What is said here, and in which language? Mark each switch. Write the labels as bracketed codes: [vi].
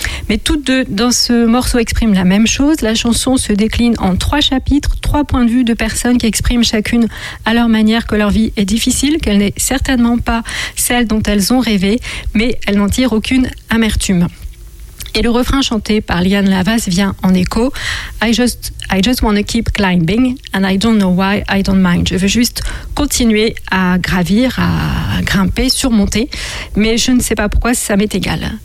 [fr] Mais toutes deux dans ce morceau expriment la même chose. La chanson se décline en trois chapitres, trois points de vue de personnes qui expriment chacune à leur manière que leur vie est difficile, qu'elle n'est certainement pas celle dont elles ont rêvé, mais elles n'en tirent aucune amertume. Et le refrain chanté par Liane Lavas vient en écho. [en] I just want to keep climbing and I don't know why I don't mind. [fr] Je veux juste continuer à gravir, à grimper, surmonter, mais je ne sais pas pourquoi ça m'est égal.